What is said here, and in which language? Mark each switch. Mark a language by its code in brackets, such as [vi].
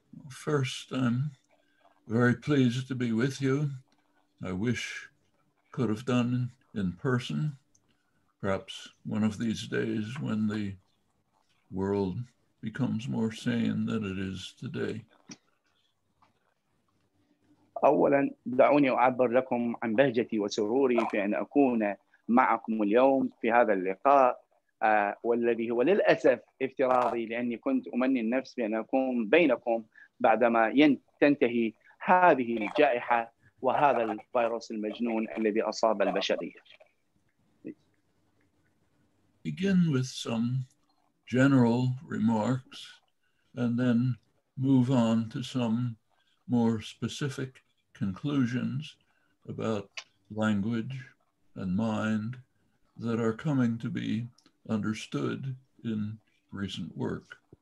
[en] First, I'm very pleased to be with you. I wish could have done in person, perhaps one of these days when the world becomes more sane than it is today. [ar] أولا دعوني أعبر لكم عن بهجتي وسروري في أن أكون معكم اليوم في هذا اللقاء. والذي هو للأسف افتراضي لأني كنت أمني النفس بأن أكون بينكم بعدما تنتهي هذه الجائحة وهذا الفيروس المجنون الذي أصاب البشرية. [en] Begin with some general remarks and then move on to some more specific conclusions about language and mind that are coming to be understood in recent work.